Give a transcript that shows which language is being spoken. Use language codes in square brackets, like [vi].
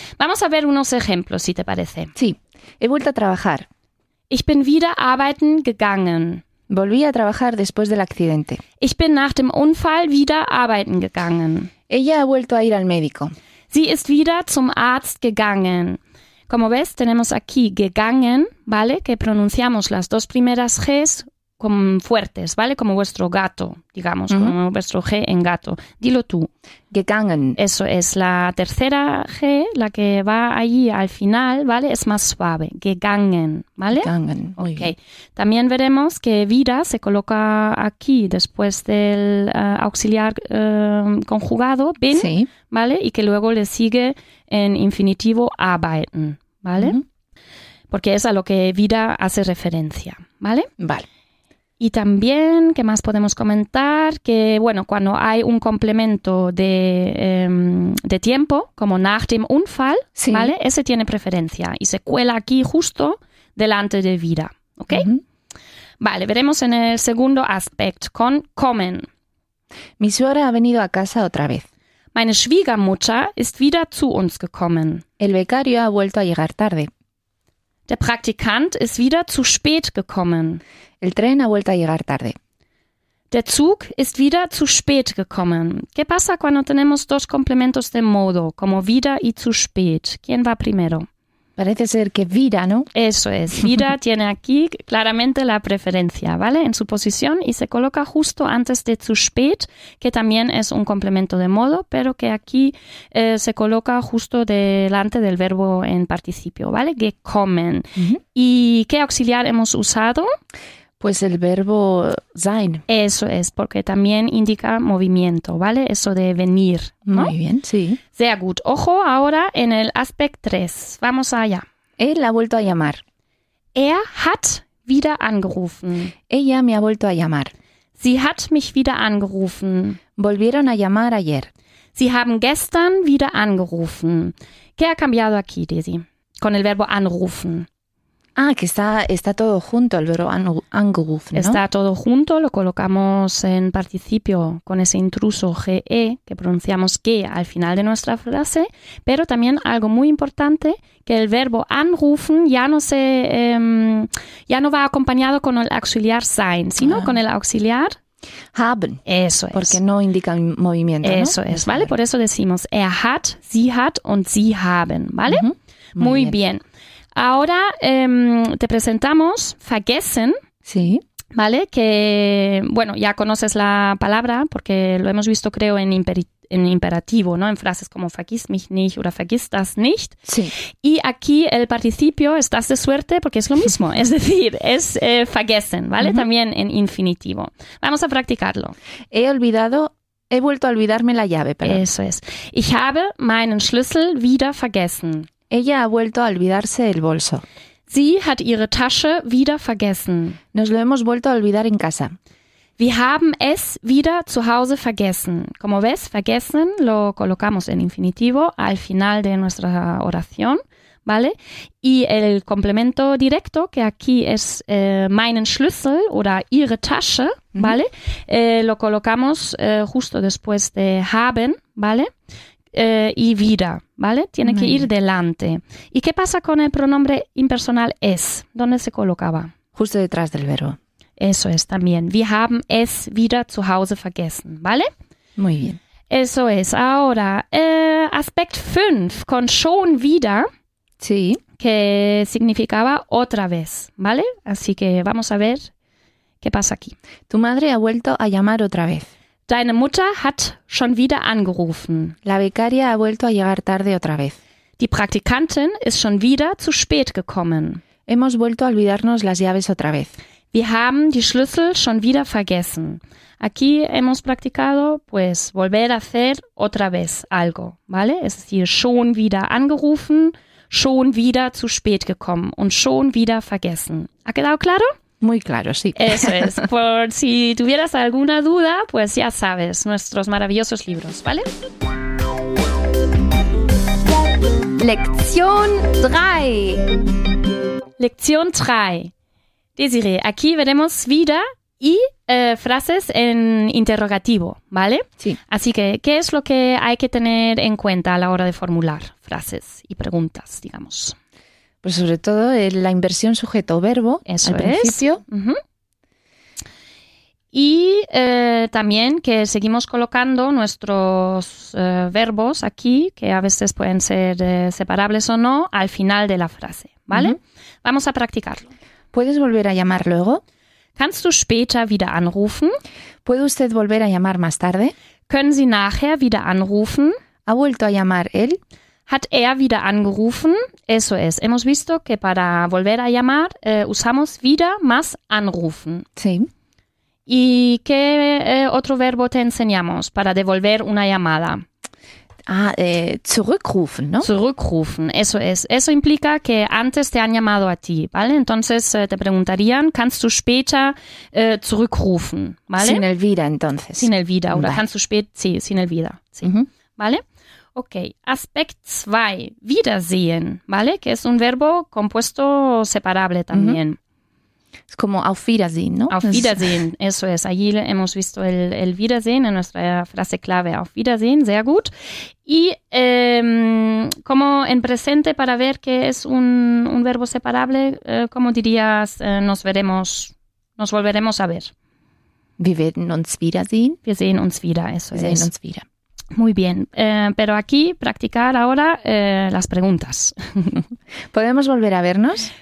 [es] Vamos a ver unos ejemplos, si te parece. Sí, he vuelto a trabajar. [de] Ich bin wieder arbeiten gegangen. [es] Volví a trabajar después del accidente. [de] Ich bin nach dem Unfall wieder arbeiten gegangen. [es] Ella ha vuelto a ir al médico. [de] Sie ist wieder zum Arzt gegangen. [es] Como ves, tenemos aquí gegangen, ¿vale? Que pronunciamos las dos primeras Gs con fuertes, ¿vale? Como vuestro gato, digamos, uh-huh. como vuestro G en gato. Dilo tú. [de] Gegangen. [es] Eso es, la tercera G, la que va allí al final, ¿vale? Es más suave. Gegangen, ¿vale? [de] Gegangen. Ok. [es] También veremos que vida se coloca aquí después del auxiliar conjugado, bin, sí. ¿vale? Y que luego le sigue en infinitivo arbeiten, ¿vale? Uh-huh. Porque es a lo que vida hace referencia, ¿vale? Vale. Y también, ¿qué más podemos comentar? Que, bueno, cuando hay un complemento de tiempo, como [de] nach dem Unfall, [es] sí. ¿vale? Ese tiene preferencia y se cuela aquí justo delante de vida, ¿ok? Uh-huh. Vale, veremos en el segundo aspecto, con kommen. Mi suegra ha venido a casa otra vez. Meine Schwiegermutter ist wieder zu uns gekommen. El becario ha vuelto a llegar tarde. Der Praktikant ist wieder zu spät gekommen. El tren ha vuelto a llegar tarde. Der Zug ist wieder zu spät gekommen. ¿Qué pasa cuando tenemos dos complementos de modo, como wieder y zu spät? ¿Quién va primero? Parece ser que wieder, ¿no? Eso es. Wieder tiene aquí claramente la preferencia, ¿vale? En su posición y se coloca justo antes de zu spät, que también es un complemento de modo, pero que aquí se coloca justo delante del verbo en participio, ¿vale? [de] Gekommen. Uh-huh. [es] ¿Y qué auxiliar hemos usado? Pues el verbo sein. Eso es, porque también indica movimiento, ¿vale? Eso de venir, ¿no? Muy bien, sí. [de] Sehr gut. [es] Ojo ahora en el aspect 3. Vamos allá. Él ha vuelto a llamar. [de] Er hat wieder angerufen. [es] Ella me ha vuelto a llamar. [de] Sie hat mich wieder angerufen. [es] Volvieron a llamar ayer. [de] Sie haben gestern wieder angerufen. [es] ¿Qué ha cambiado aquí, Daisy? Con el verbo anrufen. Ah, que está todo junto, el verbo angerufen, ¿no? Está todo junto, lo colocamos en participio con ese intruso GE, que pronunciamos GE al final de nuestra frase, pero también algo muy importante, que el verbo anrufen ya no va acompañado con el auxiliar sein, sino con el auxiliar [de] haben. [es] Eso es. Porque no indica movimiento, ¿no? Eso es, ¿vale? Por eso decimos [de] er hat, sie hat und sie haben, [es] ¿vale? Uh-huh. Muy bien. Ahora te presentamos vergessen, sí. ¿vale? Que, bueno, ya conoces la palabra porque lo hemos visto, creo, en imperativo, ¿no? En frases como [de] vergiss mich nicht [es] oder [de] vergiss das nicht. [es] Sí. Y aquí el participio, estás de suerte, porque es lo mismo. Es decir, es vergessen, ¿vale? Uh-huh. También en infinitivo. Vamos a practicarlo. He olvidado He vuelto a olvidarme la llave, perdón. Eso es. [de] Ich habe meinen Schlüssel wieder vergessen. [es] Ella ha vuelto a olvidarse el bolso. [de] Sie hat ihre Tasche wieder vergessen. [es] Nos lo hemos vuelto a olvidar en casa. [de] Wir haben es wieder zu Hause vergessen. [es] Como ves, vergessen lo colocamos en infinitivo al final de nuestra oración, ¿vale? Y el complemento directo, que aquí es [de] meinen Schlüssel oder ihre Tasche, [es] ¿vale? Mm-hmm. Lo colocamos justo después de haben, ¿vale? Y wieder, ¿vale? Tiene que ir delante. ¿Y qué pasa con el pronombre impersonal es? ¿Dónde se colocaba? Justo detrás del verbo. Eso es también. [de] Wir haben es wieder zu Hause vergessen, ¿vale? [es] Muy bien. Eso es. Ahora, Aspekt 5 con schon wieder. Sí. Que significaba otra vez, ¿vale? Así que vamos a ver qué pasa aquí. Tu madre ha vuelto a llamar otra vez. [de] Deine Mutter hat schon wieder angerufen. [es] La becaria ha vuelto a llegar tarde otra vez. [de] Die Praktikantin ist schon wieder zu spät gekommen. [es] Hemos vuelto a olvidarnos las llaves otra vez. [de] Wir haben die Schlüssel schon wieder vergessen. [es] Aquí hemos practicado, pues, volver a hacer otra vez algo, ¿vale? Es decir, [de] schon wieder angerufen, schon wieder zu spät gekommen und schon wieder vergessen. [es] ¿Ha quedado claro? Muy claro, sí. Eso es. Por si tuvieras alguna duda, pues ya sabes, nuestros maravillosos libros, ¿vale? Lección 3. Lección 3. Desiree, aquí veremos wieder y frases en interrogativo, ¿vale? Sí. Así que, ¿qué es lo que hay que tener en cuenta a la hora de formular frases y preguntas, digamos? Pues sobre todo la inversión sujeto-verbo eso al principio. Uh-huh. Y también que seguimos colocando nuestros verbos aquí, que a veces pueden ser separables o no, al final de la frase, ¿vale? Uh-huh. Vamos a practicarlo. ¿Puedes volver a llamar luego? [de] Kannst du später wieder anrufen? [es] ¿Puede usted volver a llamar más tarde? [de] Können Sie nachher wieder anrufen? [es] ¿Ha vuelto a llamar él? [de] Hat er wieder angerufen? [es] Eso es. Hemos visto que para volver a llamar usamos wieder más anrufen. Sí. ¿Y qué otro verbo te enseñamos para devolver una llamada? [de] Zurückrufen, ¿no? [es] Zurückrufen, eso es. Eso implica que antes te han llamado a ti, ¿vale? Entonces te preguntarían, [de] ¿kannst du später zurückrufen? [es] ¿Vale? Sin el wieder, entonces. Sin el wieder, [de] oder kannst du später, [es] sí, sin el wieder. Sí. Uh-huh. ¿Vale? Ok, Aspekt 2, wiedersehen, ¿vale? Que es un verbo compuesto separable también. Es como [de] auf Wiedersehen, [es] ¿no? [de] Auf Wiedersehen, [es] eso es. Allí hemos visto el Wiedersehen en nuestra frase clave, [de] auf Wiedersehen, sehr gut. [es] Y como en presente, para ver que es un verbo separable, ¿cómo dirías nos volveremos a ver? [de] Wir werden uns wiedersehen. Wir sehen uns wieder, [es] eso es. [de] Wir sehen uns wieder. [es] Muy bien, pero aquí practicar ahora las preguntas. ¿Podemos volver a vernos?